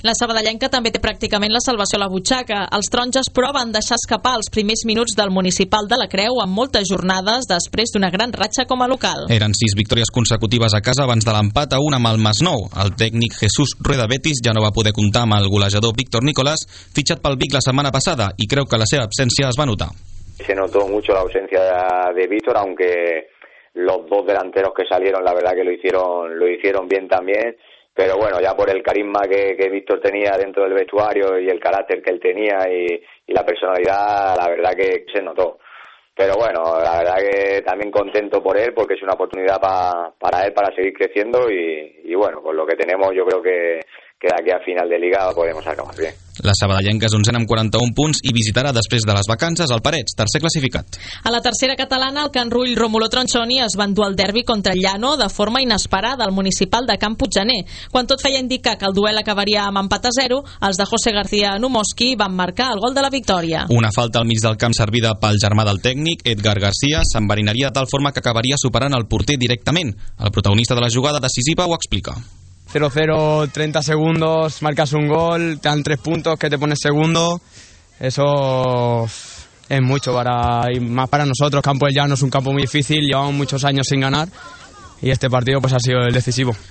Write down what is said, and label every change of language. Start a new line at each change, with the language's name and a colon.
Catalan: La sabadellenca també té pràcticament la salvació a la butxaca. Els taronges proven deixar escapar els primers minuts del Municipal de la Creu amb moltes jornades després d'una gran ratxa com a local. Eren 6 victòries consecutives a casa abans de l'empat a 1 amb el Masnou. El tècnic Jesús Rueda Betis ja no va poder comptar amb el golejador Víctor Nicolás, fitxat pel Vic la setmana passada, i creu que la seva absència es va notar.
Spanish: Se notó mucho la ausencia de Víctor, aunque los dos delanteros que salieron, la verdad que lo hicieron bien también, pero bueno, ya por el carisma que Víctor tenía dentro del vestuario y el carácter que él tenía y la personalidad, la verdad que se notó. Pero bueno, la verdad que también contento por él, porque es una oportunidad para él para seguir creciendo y bueno, con lo que tenemos yo creo que
Catalan: d'aquí a final de Liga podem acabar bé. La sabadellenca és 11 amb 41 punts i visitarà després de les vacances el Parets, tercer classificat. A la tercera catalana, el Can Rull Romulo Tronchoni es va endur el derbi contra el Llano de forma inesperada al Municipal de Can Puigdener. Quan tot feia indicar que el duel acabaria amb empat a 0, els de José García Numoski van marcar el gol de la victòria. Una falta al mig del camp servida pel germà del tècnic, Edgar García, s'enverinaria de tal forma que acabaria superant el porter directament. El protagonista de la jugada decisiva ho explica.
Spanish: 0-0, 30 segundos, marcas un gol, te dan 3 puntos, que te pones segundo. Eso es mucho para, y más para nosotros. Campo del Llano es un campo muy difícil, llevamos muchos años sin ganar y este partido pues ha sido el decisivo.